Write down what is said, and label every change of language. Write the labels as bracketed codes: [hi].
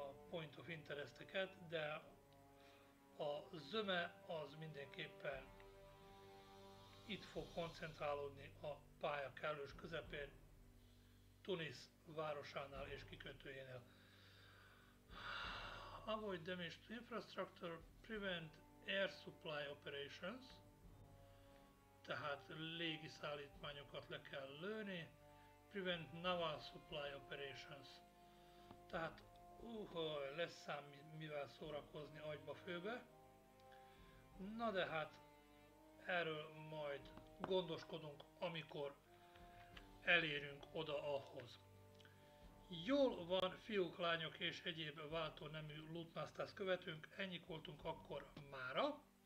[hu] point of interesteket, de a zöme az mindenképpen itt fog koncentrálódni a pálya kellős közepén, Tunis városánál és kikötőjénél. [en] Avoid damage to infrastructure, prevent air supply operations. [hu] Tehát légiszállítmányokat le kell lőni. [en] Prevent naval supply operations. [hu] Tehát lesz ám mivel szórakozni agyba főbe. Na de hát erről majd gondoskodunk, amikor elérünk oda ahhoz. Jól van, fiúk, lányok és egyéb váltó nemű LootMastaZ követünk, ennyik voltunk akkor mára.